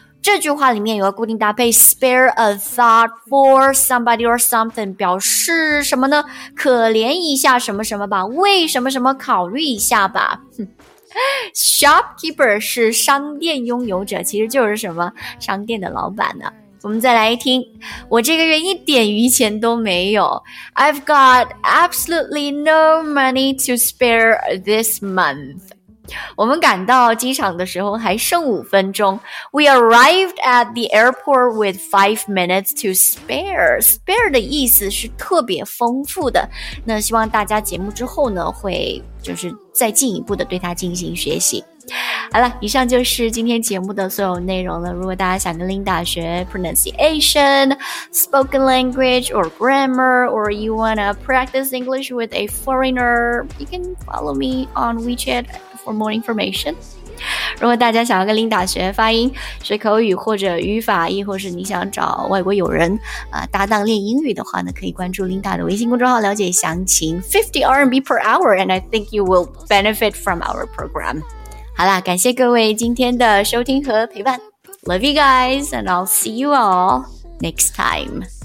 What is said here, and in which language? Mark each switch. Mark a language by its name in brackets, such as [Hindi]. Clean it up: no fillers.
[Chinese] 这句话里面有个固定搭配 spare a thought for somebody or something， 表示什么呢？可怜一下什么什么吧，为什么什么考虑一下吧。 Shopkeeper 是商店拥有者，其实就是什么商店的老板呢。我们再来一听，我这个月一点余钱都没有。 [English] I've got absolutely no money to spare this month. [Chinese] 我们赶到机场的时候还剩五分钟。 [English] We arrived at the airport with 5 minutes to spare. [Chinese] Spare 的意思是特别丰富的。那希望大家节目之后呢，会就是再进一步的对它进行学习。好了，以上就是今天节目的所有内容了。如果大家想跟 Linda 学 [English] pronunciation, spoken language, or grammar, or you want to practice English with a foreigner, you can follow me on WeChat for more information. [Chinese] 如果大家想要跟 Linda 学发音、学口语或者语法，亦或是你想找外国友人、搭档练英语的话呢，可以关注 Linda 的微信公众号了解详情。 [English] 50 RMB per hour, and I think you will benefit from our program. [Chinese] 好啦，感谢各位今天的收听和陪伴。 [English] Love you guys, and I'll see you all next time.